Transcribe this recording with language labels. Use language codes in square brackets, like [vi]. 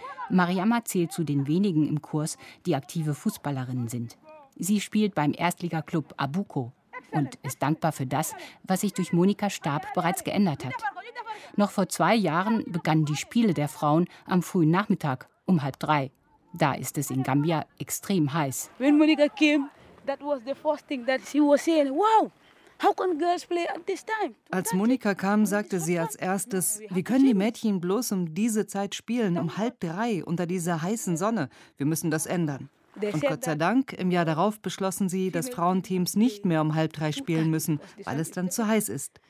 [de] Mariama zählt zu den wenigen im Kurs, die aktive Fußballerinnen sind. Sie spielt beim Erstligaclub Abuko. und ist dankbar für das, was sich durch Monika Stab bereits geändert hat. Noch vor 2 Jahren begannen die Spiele der Frauen am frühen Nachmittag um 2:30. Da ist es in Gambia extrem heiß. [en] When Monika came, that was the first thing that she was saying, wow! How can girls play at this time? [de] Als Monika kam, sagte sie als erstes, wie können die Mädchen bloß um diese Zeit spielen, um 2:30 unter dieser heißen Sonne? Wir müssen das ändern. Und Gott sei Dank, im Jahr darauf beschlossen sie, dass Frauenteams nicht mehr um 2:30 spielen müssen, weil es dann zu heiß ist.